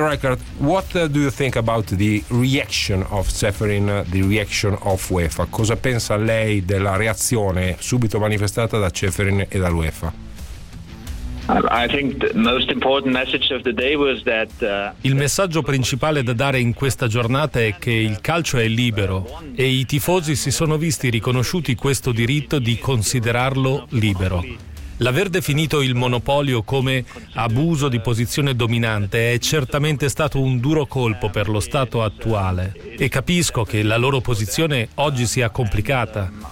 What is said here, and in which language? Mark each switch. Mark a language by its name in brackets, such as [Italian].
[English] Reichard, what do you think about the reaction of Čeferin, the reaction of UEFA? [Italian] Cosa pensa lei della reazione subito manifestata da Čeferin e dall'UEFA? [English] I think the most important message of the day was that [Italian] il messaggio principale da dare in questa giornata è che il calcio è libero e i tifosi si sono visti riconosciuti questo diritto di considerarlo libero. L'aver definito il monopolio come abuso di posizione dominante è certamente stato un duro colpo per lo stato attuale e capisco che la loro posizione oggi sia complicata.